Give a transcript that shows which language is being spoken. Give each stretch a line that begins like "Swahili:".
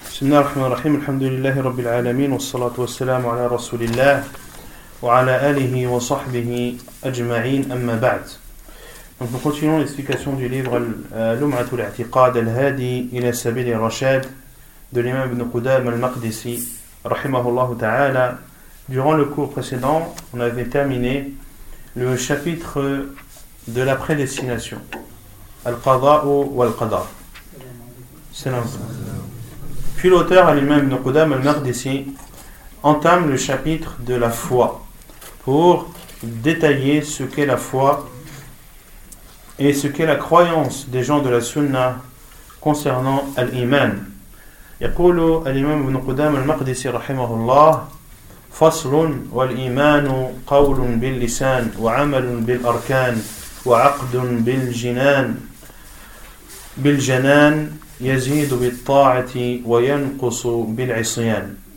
Arabic: بسم الله الرحمن الرحيم الحمد لله رب العالمين والصلاة والسلام على رسول الله وعلى آله وصحبه أجمعين أما بعد.
French: Donc nous continuons l'explication du livre لمعة الاعتقاد الهادي إلى سبيل الرشاد de l'imam ibn Qudam al-Maqdisi
Arabic: رحمه الله تعالى.
French: Durant le cours précédent, on avait terminé le chapitre de la prédestination, القضاء والقدر. Salam. Puis l'auteur, lui-même, Ibn Qudam al-Maqdisi, entame le chapitre de la foi pour détailler ce qu'est la foi et ce qu'est la croyance des gens de la sunna concernant l'iman.
Arabic: يقول الإمام ابن قدام المقدسي رحمه الله فصل والإيمان قول باللسان وعمل بالأركان وعقد بالجنان بالجنان يزيد بالطاعة وينقص بالعصيان.